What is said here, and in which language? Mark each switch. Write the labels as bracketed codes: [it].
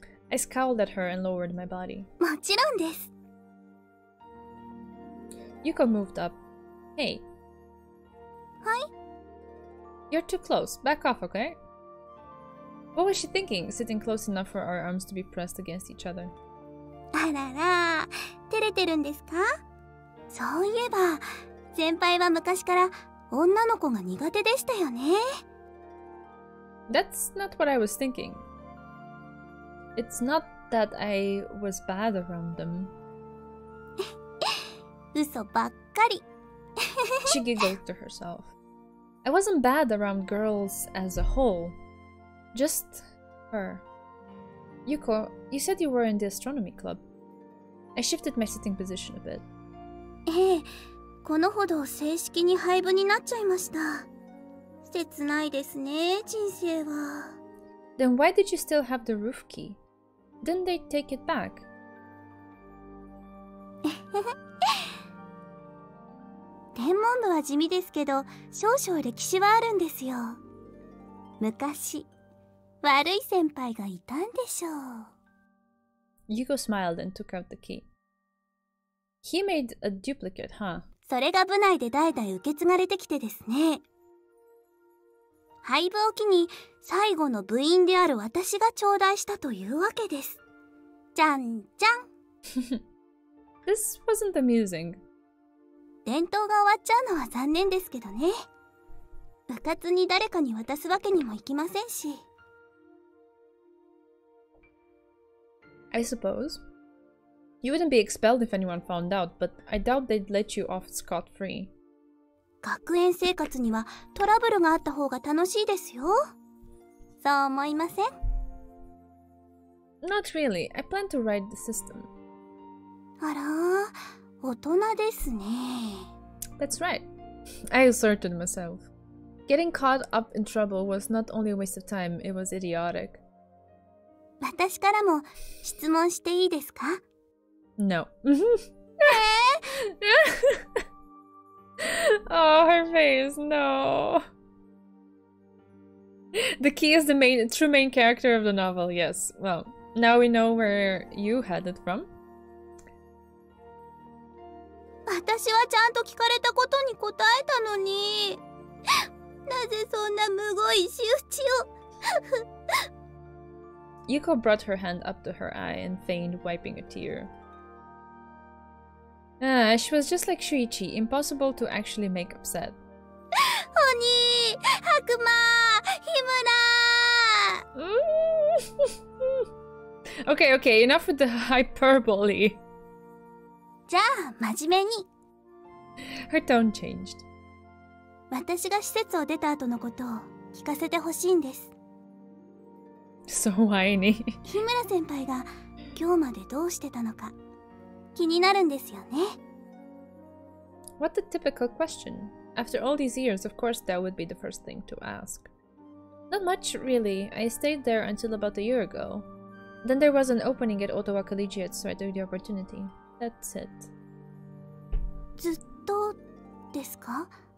[en] I scowled at her and lowered my body. [ja] もちろんです。 [en] Yuko moved up. Hey. [ja] はい? [en] You're too close. Back off, okay? What was she thinking, sitting close enough for our arms to be pressed against each other? [ja] あらら、照れてるんですか?そういえば、先輩は昔から女の子が苦手でしたよね。 [en] That's not what I was thinking. It's not that I was bad around them. [ja] 嘘ばっかり。 [en] She giggled to herself. I wasn't bad around girls as a whole. Just her. Yuko, you said you were in the astronomy club. I shifted my sitting position a bit. [ja] ええ、このほど正式に廃部になっちゃいました。切ないですね、人生は。 [en] Then why did you still have the roof key? Didn't they take it back? [ja] 天文部は地味ですけど、少々歴史はあるんですよ。昔、悪い先輩がいたんでしょう。 [en] Yuko smiled and took out the key. He made a duplicate, huh? [ja] それが部内で代々受け継がれてきてですね。廃部を機に、最後の部員である私が頂戴したというわけです。じゃんじゃん。 [en] This wasn't amusing. [ja] 伝統が終わっちゃうのは残念ですけどね。部活に誰かに渡すわけにもいきませんし。 [en] I suppose. You wouldn't be expelled if anyone found out, but I doubt they'd let you off scot-free. [ja] 学園生活にはトラブルがあった方が楽しいですよ。そう思いません? [en] Not really. I plan to ride the system. [ja] あら。大人ですね。 [en] That's right. I asserted myself. Getting caught up in trouble was not only a waste of time, it was idiotic. [ja] 私からも質問していいですか? [en] No. えぇ? Oh, her face, no. The key is the main, true main character of the novel, yes. Well, now we know where you had it from. [ja] 私はちゃんと聞かれたことに答えたのに。なぜそんなむごい仕打ちを。 [en] Yuko brought her hand up to her eye and feigned wiping a tear. She was just like Shuichi, impossible to actually make upset. [ja] おに、ハクマ、ヒムラ。 [en] Okay, okay, enough with the hyperbole. [ja] じゃあ、真面目に。 [en] Her tone changed. [ja] 私が施設を出た後のことを聞かせてほしいんです。 [en] So whiny. [ja] 日村先輩が今日までどうしてたのか気になるんですよね。 [en] What a typical question. After all these years, of course that would be the first thing to ask. Not much, really. I stayed there until about a year ago. Then there was an opening at Ottawa Collegiate, so I took the opportunity. That's it. [ja] ずっとですか?